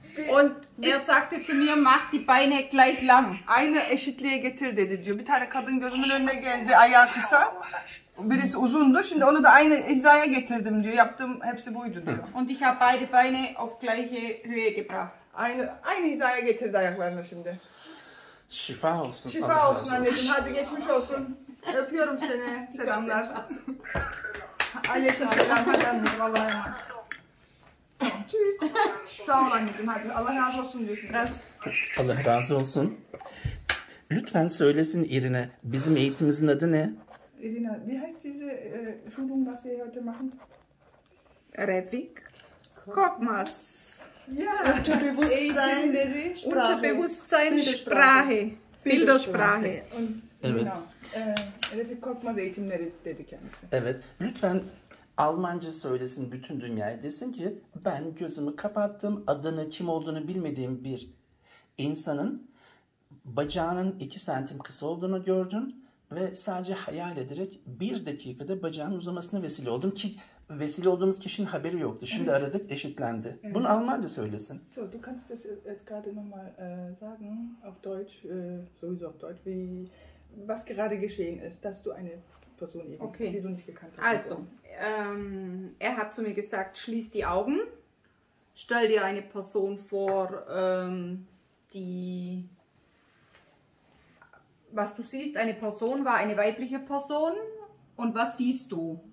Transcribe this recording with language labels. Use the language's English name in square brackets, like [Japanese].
[German] Und er sagte zu mir, mach die Beine gleich lang. [Turkish] Eine eşitliğe getir dedi diyor. Bir tane kadın gözümün önüne geldi, ayağı kısa. Birisi uzundu. Şimdi onu da aynı hizaya getirdim diyor. Yaptığım hepsi buydu diyor. [German] Und ich habe beide Beine auf gleiche Höhe gebracht. [Turkish] Aynı hizaya getirdi ayaklarını şimdi. Şifa olsun. Şifa olsun anneciğim. Hadi geçmiş olsun. Öpüyorum seni. Selamlar. Aleyküm selam, hadi anneciğim, Allah'a emanet. [German] Tschüss. [Turkish] Sağ ol anneciğim, hadi. Allah razı olsun diyorsun. Allah razı olsun. Lütfen söylesin Irina, bizim eğitimimizin adı ne? [German] Irina, wie heißt diese Schulung, was wir heute machen? Refik Kogmas. Ja, Unterbewusstsein, Sprache, Bildersprache. [Turkish] Evet. Refik Korkmaz eğitimleri dedi kendisi. Evet. Lütfen Almanca söylesin bütün dünyaya. Desin ki ben gözümü kapattım. Adını kim olduğunu bilmediğim bir insanın bacağının 2 santim kısa olduğunu gördüm. Ve sadece hayal ederek 1 dakikada bacağının uzamasına vesile oldum. Ki vesile olduğumuz kişinin haberi yoktu. Şimdi evet. Aradık eşitlendi. Evet. Bunu Almanca söylesin. [German] So, du kannst das jetzt gerade nochmal sagen. Auf Deutsch, sowieso auf Deutsch, wie... Was gerade geschehen ist, dass du eine Person eben, okay, die du nicht gekannt hast. Also, er hat zu mir gesagt, schließ die Augen, stell dir eine Person vor, die, was du siehst, eine Person war eine weibliche Person und was siehst du?